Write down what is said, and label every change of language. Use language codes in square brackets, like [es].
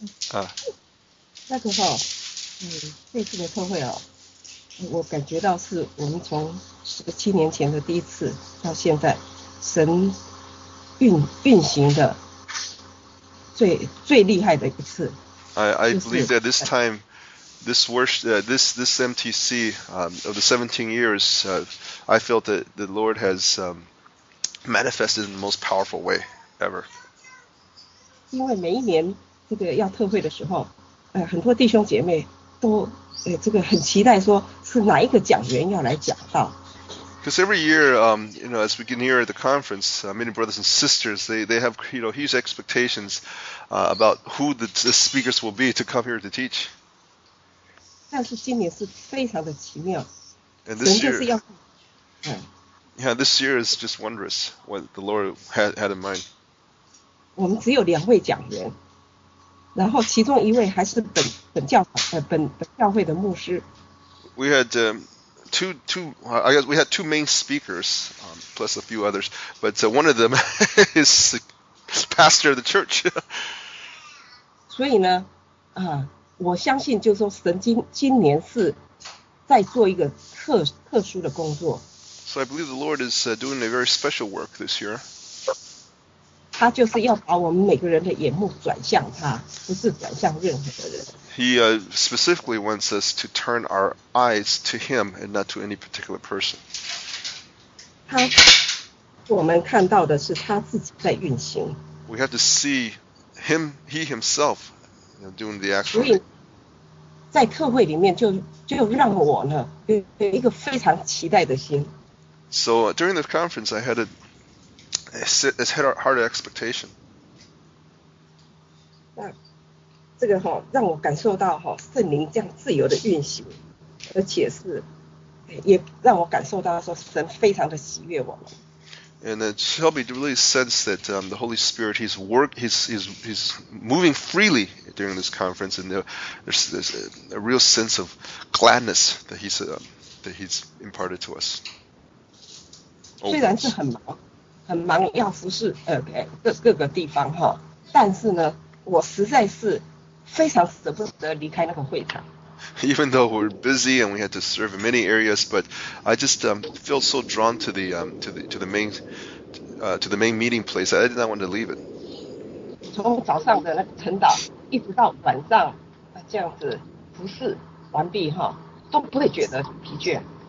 [zh] 啊。那个哈，这次的特会哦。我感觉到是我们从17年前的第一次到现在，神运行的最厉害的一次。 [en] I believe that this time, this worship, this MTC of the 17 years, I felt that the Lord has manifested in the most powerful way ever. [zh] 因为每一年这个要特会的时候，很多弟兄姐妹都。这个很期待说是哪一个讲员要来讲到。 [en] Because every year, as we get near the conference, many brothers and sisters, they have, huge expectations, about who the speakers will be to come here to teach. [zh] 但是今年是非常的奇妙。 [en] And this year, this year is just wondrous what the Lord had in mind. [zh] 我们只有两位讲员。然后其中一位还是本教会的牧师。 [en] We had two, I guess we had two main speakers, plus a few others, but one of them is the pastor of the church. [zh] 所以呢，我相信就是说神今年是在做一个特殊的工作。 [en] So I believe the Lord is doing a very special work this year. [zh] 他就是要把我们每个人的眼目转向他，不是转向任何的人。 [en] He specifically wants us to turn our eyes to him and not to any particular person. [zh] 他我们看到的是他自己在运行。 [en] We have to see him, he himself, you know, doing the actual. [zh] 所以在特会里面就让我呢有一个非常期待的心。 [en] So during the conference, I had a hard expectation. [zh] 那这个齁让我感受到齁圣灵这样自由的运行，而且是也让我感受到说神非常的喜悦我们。 [en] And Shelby really sensed that the Holy Spirit, he's moving freely during this conference, and there's a real sense of gladness that he's imparted to us. [zh] 虽然是很忙要服侍各个地方哈，但是呢，我实在是非常舍不得离开那个会场。 [en] Even though we're busy and we had to serve in many areas, but I just feel so drawn to the main meeting place. I did not want to leave it. [zh] 从早上的那个晨祷一直到晚上这样子服侍完毕哈，都不会觉得疲倦。